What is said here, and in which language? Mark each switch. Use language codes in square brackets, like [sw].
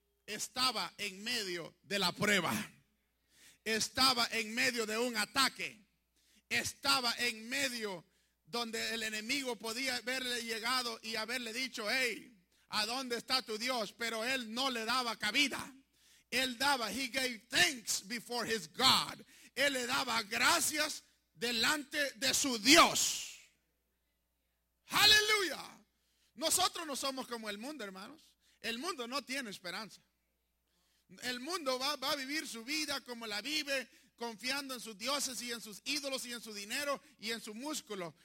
[es] Estaba en medio de la prueba. Estaba en medio de un ataque. Estaba en medio donde el enemigo podía haberle llegado y haberle dicho, hey, ¿a dónde está tu Dios? Pero él no le daba cabida. Él daba, [en] he gave thanks before his God. [es] Él le daba gracias delante de su Dios. ¡Aleluya! Nosotros no somos como el mundo, hermanos. El mundo no tiene esperanza. El mundo va a vivir su vida como la vive, confiando en sus dioses y en sus ídolos y en su dinero y en su músculo.